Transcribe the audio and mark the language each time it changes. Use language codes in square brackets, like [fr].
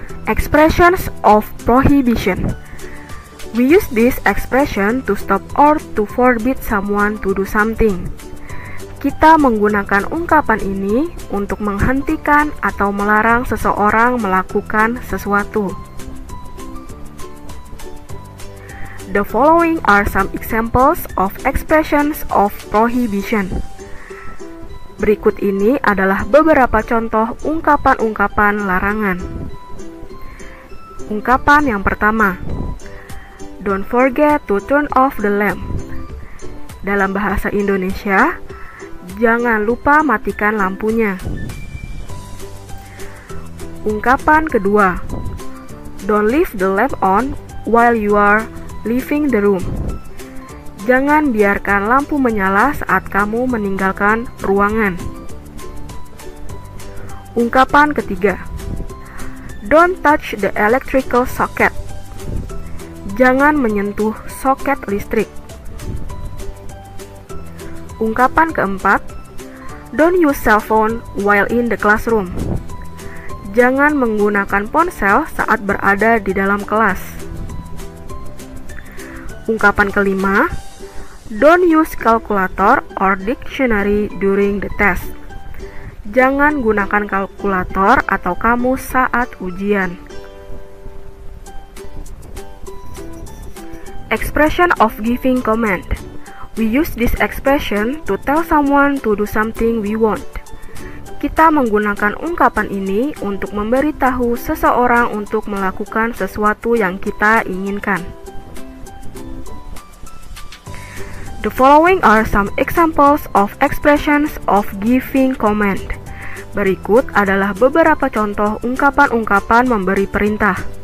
[en] Expressions of prohibition. We use this expression to stop or to forbid someone to do something. [id] Kita menggunakan ungkapan ini untuk menghentikan atau melarang seseorang melakukan sesuatu. [en] The following are some examples of expressions of prohibition. [id] Berikut ini adalah beberapa contoh ungkapan-ungkapan larangan. Ungkapan yang pertama, [en] don't forget to turn off the lamp. [id] Dalam bahasa Indonesia, jangan lupa matikan lampunya. Ungkapan kedua, [en] don't leave the lamp on while you are leaving the room. [id] Jangan biarkan lampu menyala saat kamu meninggalkan ruangan. Ungkapan ketiga, [en] don't touch the electrical socket. [id] Jangan menyentuh soket listrik. Ungkapan keempat, [en] don't use cell phone while in the classroom. [id] Jangan menggunakan ponsel saat berada di dalam kelas. Ungkapan kelima, [en] don't use calculator or dictionary during the test. [id] Jangan gunakan kalkulator atau kamus saat ujian. [en] Expression of giving command. We use this expression to tell someone to do something we want. [id] Kita menggunakan ungkapan ini untuk memberitahu seseorang untuk melakukan sesuatu yang kita inginkan. [en] The following are some examples of expressions of giving command. [id] Berikut adalah beberapa contoh ungkapan-ungkapan memberi perintah.